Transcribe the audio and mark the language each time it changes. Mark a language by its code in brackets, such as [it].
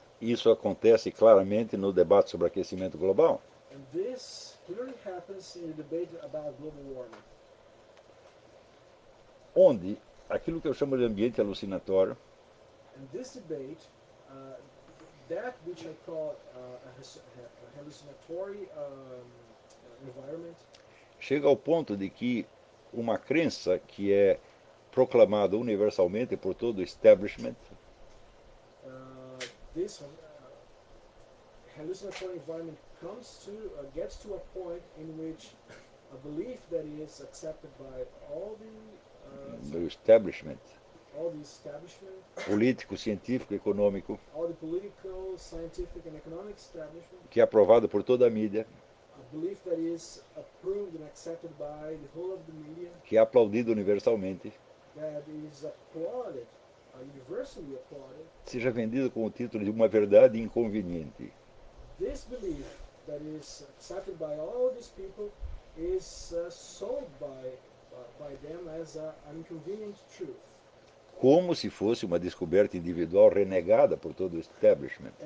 [pt] Isso acontece claramente no debate sobre aquecimento global. [en] And this clearly happens in the debate about global warming. [pt] Onde aquilo que eu chamo de ambiente alucinatório. [en] In this debate, that which I call a hallucinatory environment. [pt] Chega ao ponto de que uma crença que é proclamada universalmente por todo o establishment. [en] This hallucinatory environment comes to gets to a point in which a belief that is accepted by all the establishment. All the establishment. [pt] Político, científico, econômico. [en] All the political, scientific and economic establishment. [pt] Que é aprovado por toda a mídia. [en] A belief that is approved and accepted by the whole of the media. [pt] Que é aplaudido universalmente. [en] That is applauded, universally applauded. [pt] Seja vendido com o título de uma verdade inconveniente. [en] This belief that is accepted by all these people is sold by them as an inconvenient truth. [pt] Como se fosse uma descoberta individual renegada por todo o establishment.